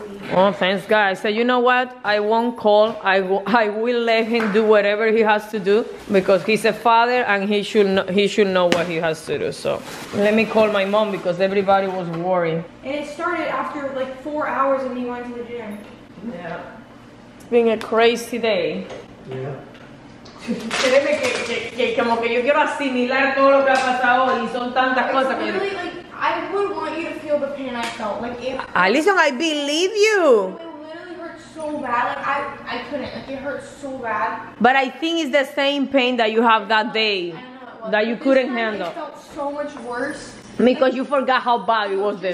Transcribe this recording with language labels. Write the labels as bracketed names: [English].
[English] Oh, thanks, guys. So you know what? I won't call. I will let him do whatever he has to do because he's a father and he should know what he has to do. So let me call my mom because everybody was worried. And it started after like 4 hours and he went to the gym. Yeah. It's been a crazy day. Yeah. [Spanish] Créeme que como que yo quiero asimilar todo lo que ha pasado hoy y son tantas cosas que. [English] I would want you to feel the pain I felt. Like if Alison, I believe you. It literally hurt so bad. Like I couldn't. Like it hurt so bad. But I think it's the same pain that you have that day. I know it was. That you couldn't handle. It felt so much worse. Because you forgot how bad it was there.